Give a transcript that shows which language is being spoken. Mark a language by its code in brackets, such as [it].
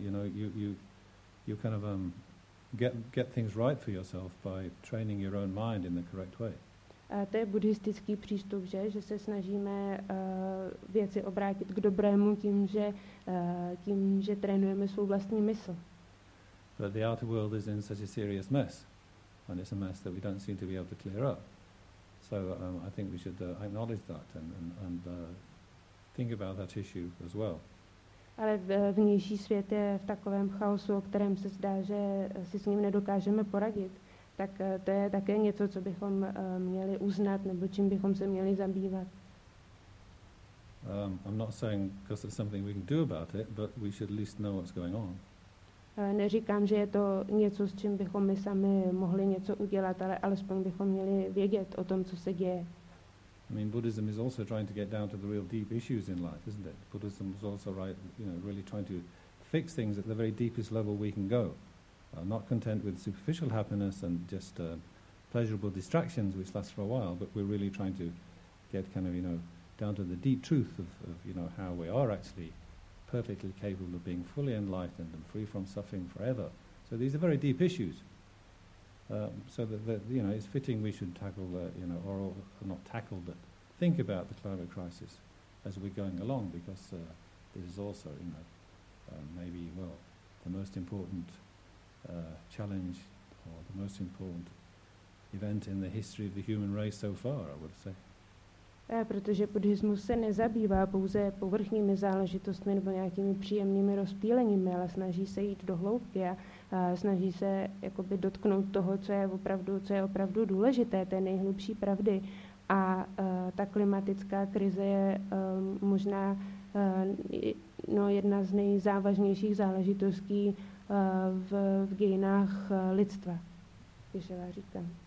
[en] You know, you kind of get things right for yourself by training your own mind in the correct way. [cs] To je buddhistický přístup, že se snažíme věci obrátit k dobrému tím, že trénujeme svou vlastní mysl. [en] But the outer world is in such a serious mess, and it's a mess that we don't seem to be able to clear up. So I think we should acknowledge that and think about that issue as well. [cs] Ale vnější svět je v takovém chaosu, o kterém se zdá, že si s ním nedokážeme poradit. Tak to je také něco, co bychom měli uznat, nebo čím bychom se měli zabývat. [en] I'm not saying because there's something we can do about it, but we should at least know what's going on. [cs] Neříkám, že je to něco, s čím bychom my sami mohli něco udělat, ale alespoň bychom měli vědět o tom, co se děje. [en] I mean, Buddhism is also trying to get down to the real deep issues in life, isn't it? Buddhism is also right, you know, really trying to fix things at the very deepest level we can go. Not content with superficial happiness and just pleasurable distractions which last for a while, but we're really trying to get kind of, you know, down to the deep truth of you know, how we are actually perfectly capable of being fully enlightened and free from suffering forever. So these are very deep issues. So that you know, it's fitting we should tackle the, you know, or not tackle, but think about the climate crisis as we're going along, because this is also, you know, maybe, well, the most important challenge or the most important event in the history of the human race so far, I would say. [cs] Protože buddhismus se nezabývá pouze povrchními záležitostmi nebo nějakými příjemnými rozptýleními, ale snaží se jít do hloubky a snaží se jakoby dotknout toho, co je opravdu důležité, té nejhlubší pravdy. A ta klimatická krize je možná no, jedna z nejzávažnějších záležitostí v dějinách lidstva, když já říkám.